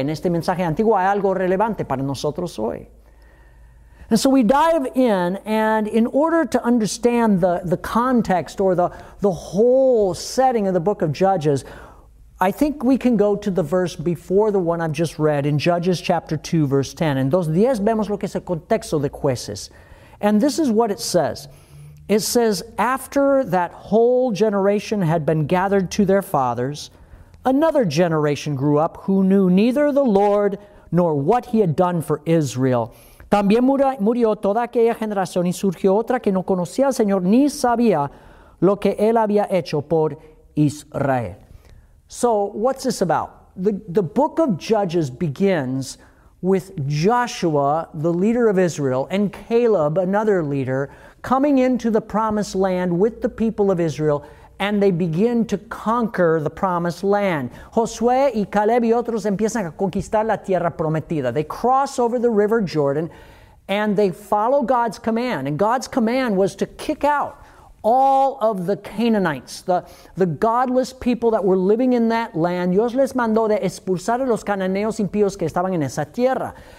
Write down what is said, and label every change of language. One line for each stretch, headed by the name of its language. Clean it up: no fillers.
Spanish: En este mensaje antiguo hay algo relevante para nosotros hoy.
English: And so we dive in, and in order to understand the context or the whole setting of the book of Judges, I think we can go to the verse before the one I've just read in Judges chapter 2, verse 10.
Spanish: En dos días vemos lo que es el contexto de Jueces.
English: And this is what it says. It says, after that whole generation had been gathered to their fathers, another generation grew up who knew neither the Lord nor what he had done for Israel.
Spanish: También murió toda aquella generación y surgió otra que no conocía al Señor ni sabía lo que él había hecho por Israel.
English: So, what's this about? The book of Judges begins with Joshua, the leader of Israel, and Caleb, another leader, coming into the promised land with the people of Israel, and they begin to conquer the promised land.
Spanish: Josué y Caleb y otros empiezan a conquistar la tierra prometida.
English: They cross over the river Jordan, and they follow God's command. And God's command was to kick out all of the Canaanites, the godless people that were living in that land.
Spanish: Dios les mandó de expulsar a los cananeos impíos que estaban en esa tierra.